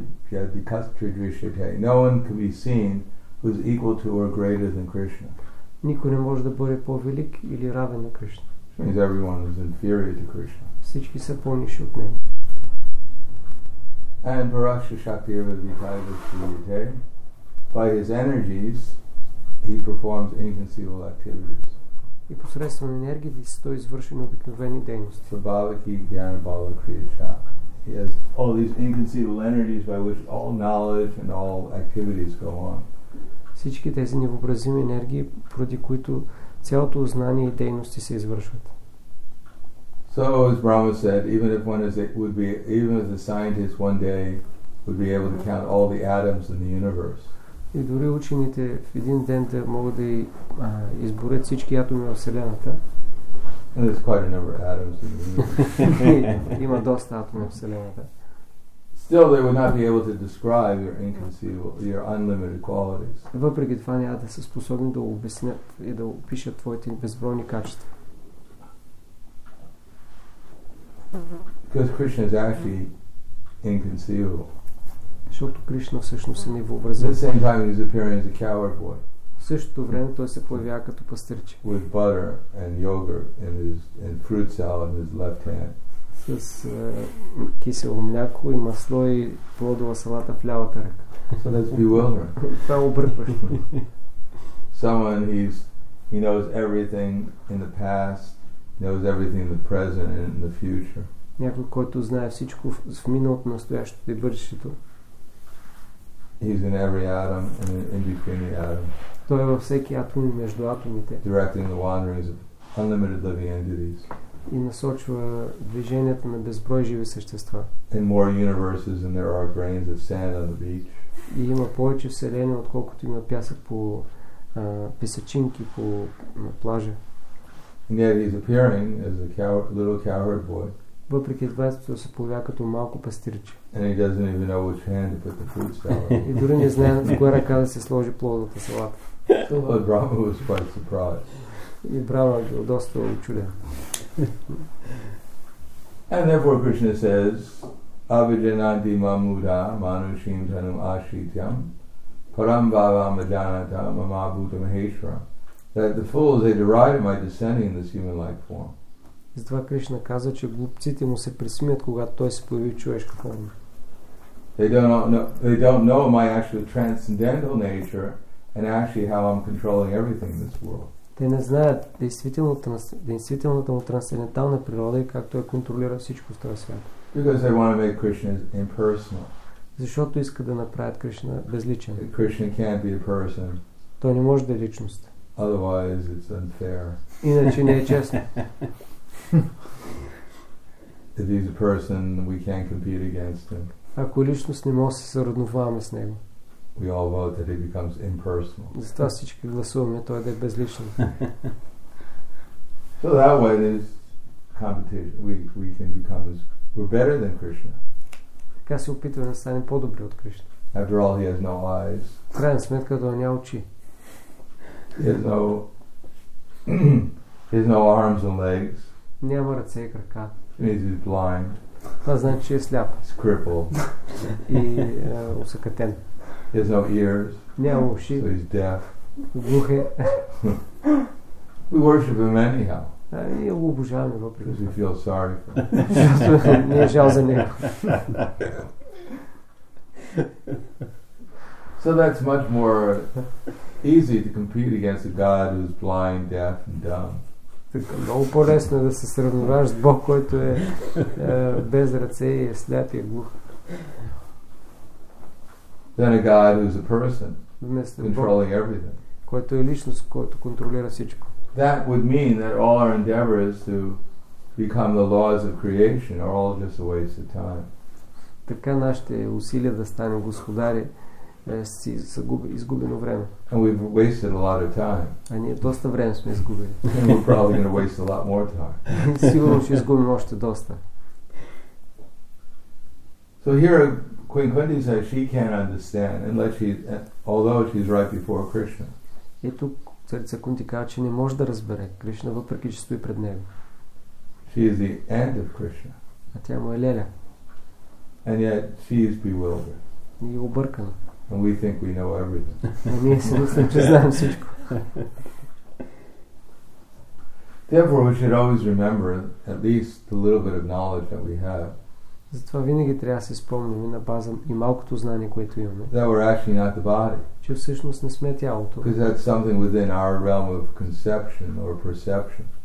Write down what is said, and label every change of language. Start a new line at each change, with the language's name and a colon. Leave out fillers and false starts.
English: No one can be seen who is equal to or greater than Krishna.
Bulgarian: Никой не може да бъде по-велик или равен на Кришна.
English: Means everyone is inferior to Krishna.
Bulgarian: Всички са по-ниши от него.
English: And
Sanskrit: Parashya Shaktiva Vitaiva Shriyate.
English: By his energies, he performs inconceivable activities.
Bulgarian: И посредством енергии той извършва необикновени дейности.
Sanskrit: Svabhaviki Jnana Bala Kriya Cha.
English: He has all these inconceivable energies by which all knowledge and all activities go on.
Bulgarian: Всички тези невъобразими енергии, поради които цялото знание и дейности се извършват.
English: So as Brahma said, even if the scientist one day would be able to count all the atoms in the universe.
Bulgarian: И дори учените в един ден да могат да изборят всички атоми в Вселената.
English: And there's quite a number of atoms in the universe.
Bulgarian: Има доста атоми в Вселената.
English: Still they would not be able to describe your inconceivable, your unlimited qualities.
Bulgarian: Въпреки това няма да са способни да обяснят и да опишат твоите безбройни качества.
English: Because Krishna is actually inconceivable.
Bulgarian: Защото Кришна всъщност е невъобразим.
English: At the same time, he's appearing as a coward boy.
Bulgarian: В същото време той се появява като пастирче.
English: With butter and yogurt and fruit salad in his left hand.
Bulgarian: С кисело мляко и масло и плодова салата в лявата ръка.
English: So that's bewildering.
Bulgarian: Това е объркващо.
English: Someone he knows everything in the past. Knows everything in the present and in the future.
Bulgarian: Някой, който знае всичко в миналото, настоящето и бъдещето.
English: He's in every atom and in between the atoms.
Bulgarian: Той е във всеки атом и между атомите.
English: Directing the wanderings of unlimited living entities.
Bulgarian: И насочва движението на безброй живи същества.
English: In more universes than there are grains of sand on the beach.
Bulgarian: И има повече вселени, отколкото има пясък по песъчинки по плажа.
English: And yet he's appearing as a little coward boy.
Bulgarian: Въпреки това се появява като малко пастирче.
English: And he doesn't even know which hand to put the fruit salad.
Bulgarian: И дори не знае в коя ръка да се сложи плодовата салата.
English: But Brahma was quite surprised.
Bulgarian: И Брама бил доста учуден.
English: And therefore Krishna says,
Sanskrit: Avijananti Mamuda Manushim Tanum Ashityam Param Bhava Majanata Mamabhuta Maheshra,
English: that the fools, they derided my descending in this human-like form.
Bulgarian: Затова Кришна каза, че глупците му се присмият, когато той се появи в човешка форма.
English: They don't know my actual transcendental nature and actually how I'm controlling everything in this world.
Bulgarian: Те не знаят действителната му трансцендентална природа и как той контролира всичко в този свят.
English: Because they want to make Krishna impersonal.
Bulgarian: Защото иска да направят Кришна безличен.
English: Krishna can't be a person.
Bulgarian: Той не може да е личност.
English: Otherwise it's unfair.
Bulgarian: Иначе не е честно.
English: If he's a person, we can't compete against him.
Bulgarian: Ако личност, не може да се съравноваме с него.
English: We all vote that he becomes impersonal.
Bulgarian: Затова всички гласуваме той да е безличен.
English: So that way there's competition. We can become as we're better than Krishna.
Bulgarian: Така се опитваме да станем по-добри от Кришна.
English: After all, he has no eyes.
Bulgarian: В крайна сметка той няма очи.
English: He has no arms and legs.
Bulgarian: Няма ръце и крака.
English: He's blind.
Bulgarian: Това значи, че е сляп.
English: He's crippled.
Bulgarian: И усъкатен.
English: He has no ears.
Bulgarian: Няма уши.
English: So he's deaf.
Bulgarian: Глух е.
English: We worship him anyhow.
Bulgarian: И го обожаваме въпреки.
English: Because we feel sorry for him.
Bulgarian: Не е жал за него.
English: So that's much more easy to compete against a god who's blind, deaf and dumb.
Bulgarian: Така, много по-лесно е да се сравнуваш с Бог, който е без ръце и е сляп и е глух.
English: Then a God who's a person, controlling everything.
Bulgarian: Който е личност, който контролира всичко.
English: That would mean that all our endeavors to become the laws of creation are all just a waste of time.
Bulgarian: Така нашите усилия да станем господари си изгубено време.
English: And we've wasted a lot of time.
Bulgarian: А ние доста време сме изгубили.
English: And we're probably going to waste a lot more time.
Bulgarian: Сигурно ще изгубим още доста.
English: So here Queen Kunti says she can't understand unless she, although she's right before Krishna.
Bulgarian: И тук царица Кунти казва, че не може да разбере Кришна, въпреки че стои пред него.
English: She is the aunt of Krishna.
Bulgarian: А тя му е леля.
English: And yet she is bewildered.
Bulgarian: И е объркана.
English: And we think we know everything. Therefore, we should always remember at least the little bit of knowledge that we have.
Bulgarian: Затова винаги трябва да се спомним на база и малкото знание, което имаме.
English: That we're actually not the body.
Bulgarian: Че всъщност не сме тялото.
English: Because that's something within our realm of conception or perception.